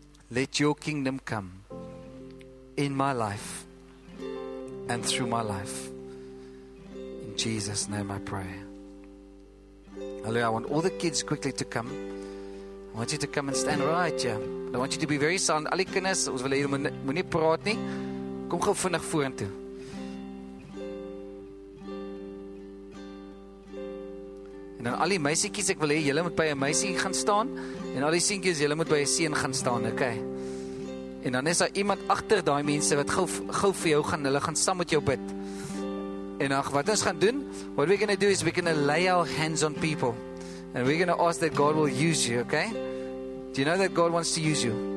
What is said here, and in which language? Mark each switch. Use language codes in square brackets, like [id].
[en] Let your kingdom come in my life and through my life. In Jesus' name I pray. Hallelujah. I want all the kids quickly to come. I want you to come and stand right here. I want you to be very silent. [af] Al die kinders, ons wil hier moenie praat nie. Kom gou vinnig vorentoe. En dan al die meisiekies, ek wil hê julle moet by 'n meisie gaan staan en al die seentjies, julle moet by 'n seun gaan staan, okay? En dan is daar iemand agter daai mense wat gou vir jou gaan, hulle gaan saam met jou bid. En ag, wat ons gaan doen? [en] What we're going to do is we're going to lay our hands on people. And we're going to ask that God will use you, okay? Do you know that God wants to use you?